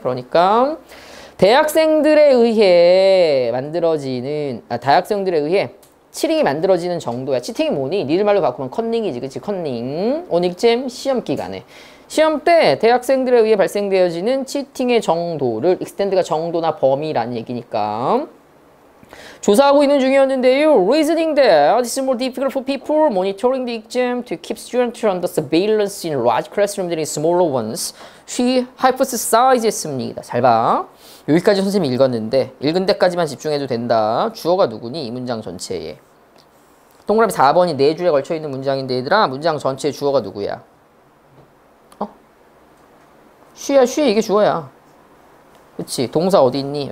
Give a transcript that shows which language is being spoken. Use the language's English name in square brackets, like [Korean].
[Korean] 그러니까 대학생들에 의해 만들어지는 대학생들에 의해 치팅이 만들어지는 정도야. 치팅이 뭐니? 니들 말로 바꾸면 컨닝이지. 그치? 컨닝. 온익잼 시험 기간에. 시험 때 대학생들에 의해 발생되어지는 치팅의 정도를 익스텐드가 정도나 범위라는 얘기니까 조사하고 있는 중이었는데요. [English] Reasoning that it's more difficult for people monitoring the exam to keep students under surveillance in large classrooms than in smaller ones. She hypothesized [Korean] 입니다. 잘 봐. 여기까지 선생님이 읽었는데 읽은 데까지만 집중해도 된다. 주어가 누구니? 이 문장 전체에. 동그라미 4번이 네 줄에 걸쳐있는 문장인데 얘들아 문장 전체에 주어가 누구야? 어? 쉬야 쉬 이게 주어야. 그치? 동사 어디 있니?